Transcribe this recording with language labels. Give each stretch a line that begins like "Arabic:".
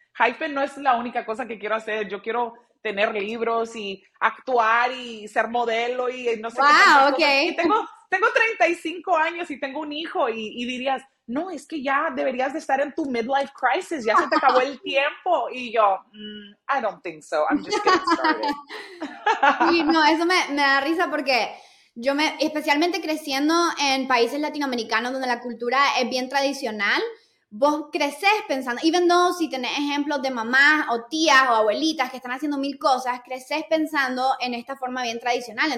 Spanish: Hyphen no es la única cosa que quiero hacer, yo quiero tener libros y actuar y ser modelo y no sé qué. Wow, ok. Y tengo 35 años y tengo un hijo y dirías, no, es que ya deberías de estar en tu midlife crisis, ya se te acabó el tiempo. Y yo,
English: I don't think so, I'm just getting started.
Spanish: Sí, no, eso me da risa porque yo especialmente creciendo en países latinoamericanos donde la cultura es bien tradicional, vos creces pensando,
English: even though
Spanish: si tenés ejemplos de mamás o tías o abuelitas que están haciendo mil cosas, creces pensando en esta forma bien tradicional.